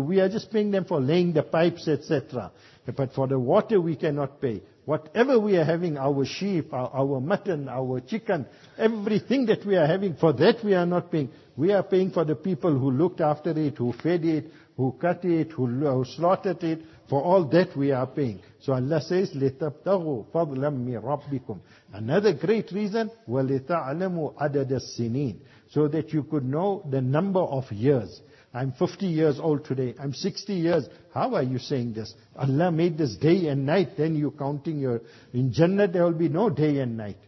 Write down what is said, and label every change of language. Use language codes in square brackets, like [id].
[en] We are just paying them for laying the pipes, etc. But for the water, we cannot pay. Whatever we are having, our sheep, our mutton, our chicken, everything that we are having, for that we are not paying. We are paying for the people who looked after it, who fed it, who cut it, who slaughtered it. For all that we are paying. So Allah says, [ar] لِتَبْتَغُوا فَضْلًا مِنْ رَبِّكُمْ. [en] Another great reason, [ar] وَلِتَعْلَمُوا عَدَدَ السِّنِينَ. [en] So that you could know the number of years. I'm 50 years old today. I'm 60 years. How are you saying this? Allah made this day and night. Then you counting your... In Jannah there will be no day and night.